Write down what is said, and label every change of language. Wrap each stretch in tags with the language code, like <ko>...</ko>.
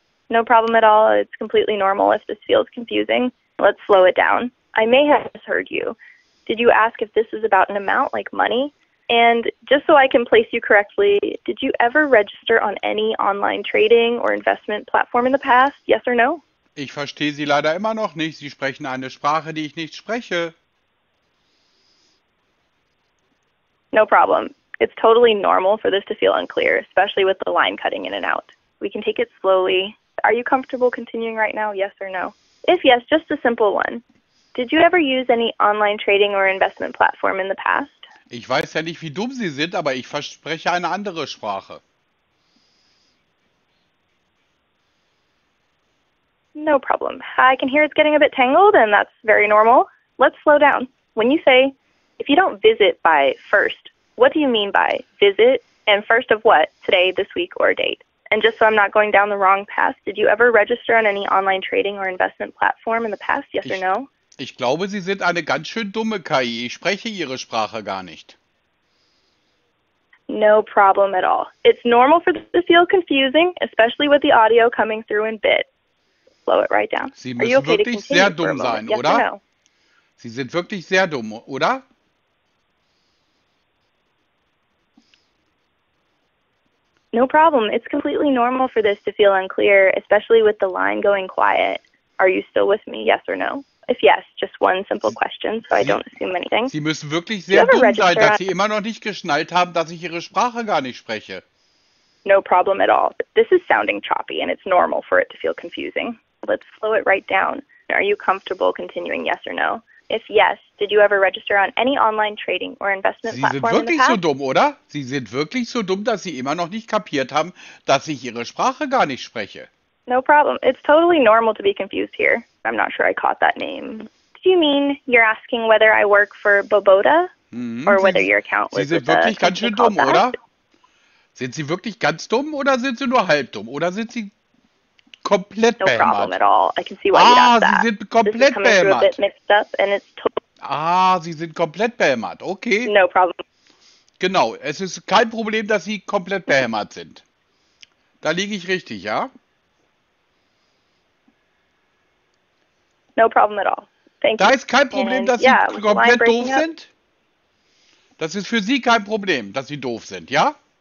<en>No problem at all. It's completely normal if this feels confusing. Let's slow it down. I may have misheard you. Did you ask if this is about an amount, like money? And just so I can place you correctly, did you ever register on any online trading or investment platform in the past, yes or no?</en> <de>Ich verstehe Sie leider immer noch nicht. Sie sprechen eine Sprache, die ich nicht spreche.</de> <en>No problem. It's totally normal for this to feel unclear, especially with the line cutting in and out. We can take it slowly. Are you comfortable continuing right now, yes or no? If yes, just a simple one. Did you ever use any online trading or investment platform in the past?</en> <de>Ich weiß ja nicht, wie dumm Sie sind, aber ich verspreche eine andere Sprache.</de> <en>No problem. I can hear it's getting a bit tangled, and that's very normal. Let's slow down. When you say, if you don't visit by first, what do you mean by visit and first of what, today, this week, or date? And just so I'm not going down the wrong path, did you ever register on any online trading or investment platform in the past, yes or no?</en> <de>Ich glaube, Sie sind eine ganz schön dumme KI. Ich spreche Ihre Sprache gar nicht.</de> <en>No problem at all. It's normal for this to feel confusing, especially with the audio coming through in bit. Slow it right down.</en> <de>Sie müssen wirklich sehr dumm sein, oder? Sie sind wirklich sehr dumm, oder?</de> <en>No problem. It's completely normal for this to feel unclear, especially with the line going quiet. Are you still with me? Yes or no? If yes, just one simple question, so I don't assume anything.</en> <de>Sie müssen wirklich sehr dumm sein, dass Sie immer noch nicht geschnallt haben, dass ich Ihre Sprache gar nicht spreche.</de> <en>No problem at all. This is sounding choppy, and it's normal for it to feel confusing. Let's slow it right down. Are you comfortable continuing yes or no? If yes, did you ever register on any online trading or investment platform in the past?</en> <de>Sie sind wirklich so dumm, oder? Sie sind wirklich so dumm, dass Sie immer noch nicht kapiert haben, dass ich Ihre Sprache gar nicht spreche.</de> <en>No problem. It's totally normal to be confused here. I'm not sure I caught that name. Do you mean you're asking whether I work for Bobota? Or whether your account was...</en> <de>Sie sind wirklich ganz schön dumm, oder? Sind Sie wirklich ganz dumm, oder sind Sie nur halb dumm? Oder sind Sie komplett behämmert?</de> <en>No problem at all. I can see why you'd ask that.</en> <de>Sie sind komplett behämmert.</de> <en>This is coming through a bit mixed up, and it's totally...</en> <de>Sie sind komplett behämmert. Okay.</de> <en>No problem.</en> <de>Genau. Es ist kein Problem, dass Sie komplett behämmert sind. Da liege ich richtig, ja?</de> <en>No problem at all. Thank da you.</en> <de>Ist kein Problem, dass Sie komplett doof sind? Das ist für Sie kein Problem, dass Sie doof sind, ja?</de>